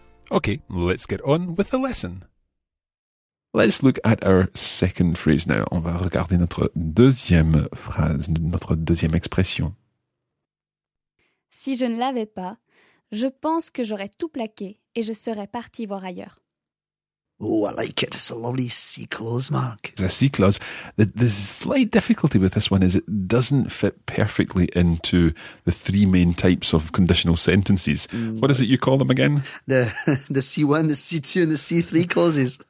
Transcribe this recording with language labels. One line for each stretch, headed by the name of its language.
English: Okay, let's get on with the lesson. Let's look at our second phrase now.
French: On va regarder notre deuxième phrase, notre deuxième expression. Si je ne l'avais pas, je pense que j'aurais tout plaqué et je serais parti voir ailleurs.
English: Oh, I like it. It's a lovely C clause, Mark. It's a C clause. The slight difficulty with this one is it doesn't fit perfectly into the three main types of conditional sentences. What is it you call them again? The C1, the C2 and the C3 clauses.